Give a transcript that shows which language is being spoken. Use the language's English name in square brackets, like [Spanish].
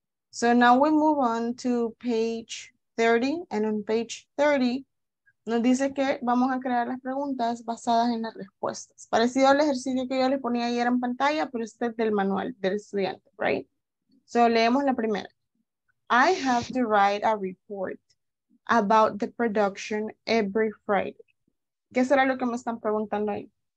[English] So now we move on to page 30. And on page 30, [Spanish] nos dice que vamos a crear las preguntas basadas en las respuestas. Parecido al ejercicio que yo les ponía ayer en pantalla, pero este es del manual del estudiante, right? So leemos la primera. [English] I have to write a report about the production every Friday. [Spanish] ¿Qué será lo que me están preguntando ahí?